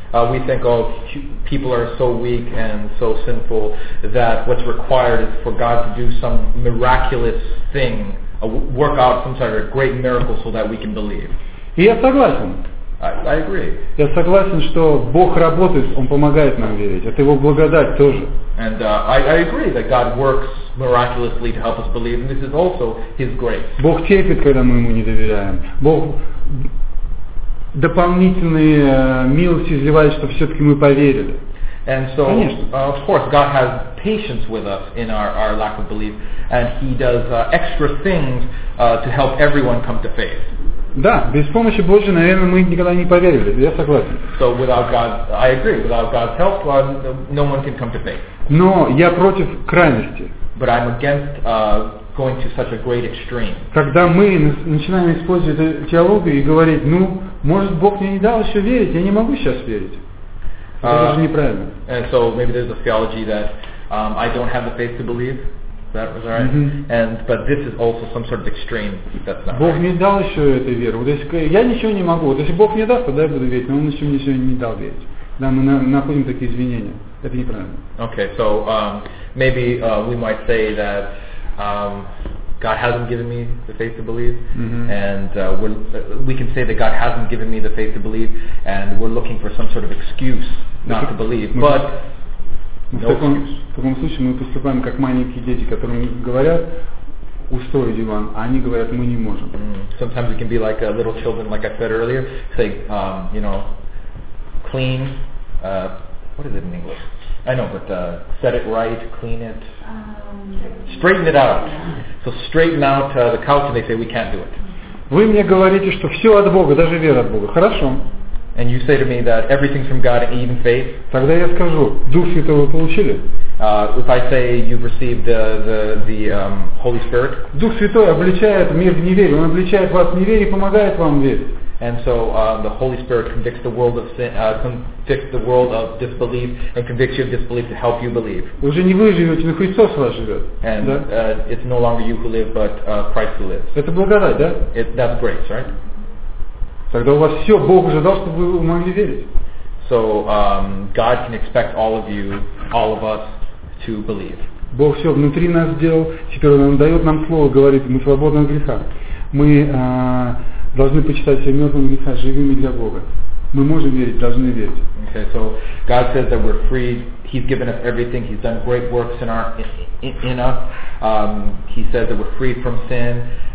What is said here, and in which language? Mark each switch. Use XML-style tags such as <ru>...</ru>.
<en>We think, oh, people are so weak and so sinful that what's required is for God to do some miraculous thing, work out some sort of great miracle so that we can believe.</en> <ru>И я согласен.</ru> <en>I agree.</en> <ru>Я согласен, что Бог работает, Он помогает нам верить. Это Его благодать тоже.</ru> <en>And I agree that God works miraculously to help us believe, and this is also His grace.</en> <ru>Бог терпит, когда мы Ему не доверяем. Бог дополнительные милости изливает, чтобы все-таки мы поверили.</ru> <en>And so,</en> <ru>конечно.</ru> <en>Of course, God has patience with us in our lack of belief, and He does extra things to help everyone come to faith.</en> <ru>Да, без помощи Божьей, наверное, мы никогда не поверили. Я согласен.</ru> <en>So without God, I agree. Without God's help, no one can come to faith.</en> <ru>Но я против крайности.</ru> <en>But I'm against going to such a great extreme.</en> <ru>Когда мы начинаем использовать эту теологию и говорить, ну, может, Бог мне не дал еще верить, я не могу сейчас верить. Это же неправильно.</ru> <en>And so maybe there's a theology that I don't have the faith to believe. That was all right. Mm-hmm. And but this is also some sort of extreme. That's not.</en> <ru>Бог</ru> <en>right.</en> <ru>Не дал еще этой веры. Вот если я ничего не могу, вот если Бог мне даст, тогда я буду верить. Но Он еще мне сегодня не дал верить. Да, мы находим такие извинения. Это неправильно.</ru> <en>Okay, so maybe we might say that God hasn't given me the faith to believe, mm-hmm. and we can say that God hasn't given me the faith to believe, and we're looking for some sort of excuse not to believe, but.</en> <ru>В таком случае мы поступаем как маленькие дети, которым говорят, устрой диван, а они говорят, мы не можем. Mm.</ru> <en>Sometimes it can be like little children, like I said earlier, say, you know, clean, what is it in English? I know, but set it right, clean it, straighten it out. So straighten out the couch and they say, we can't do it.</en> <ru>Вы мне говорите, что все от Бога, даже вера от Бога. Хорошо.</ru> <en>And you say to me that everything's from God and even faith.</en> <ru>Тогда я скажу, Дух Святой вы получили?</ru> <en>If I say you've received the Holy Spirit.</en> <ru>Дух Святой обличает мир в неверии. Он обличает вас в неверии и помогает вам верить.</ru> <en>And so the Holy Spirit convicts the world of sin, convicts the world of disbelief, and convicts you of disbelief to help you believe.</en> <ru>Уже не вы живете, но Христос вас живет.</ru> <en>And</en> <ru>да?</ru> <en>It's no longer you who live, but Christ who lives.</en> <ru>Это благодать, да?</ru> <en>That's grace, right?</en> <ru>Тогда у вас все, Бог уже дал, чтобы вы могли верить.</ru> <en>So, God can expect all of you, all of us, to believe.</en> <ru>Бог все внутри нас сделал, теперь Он дает нам слово, говорит, мы свободны от греха. Мы должны почитать себя мертвым греха, живыми для Бога. Мы можем верить, должны верить.</ru> <en>Okay, so, God says that we're free, He's given us everything, He's done great works in us. He says that we're free from sin.</en>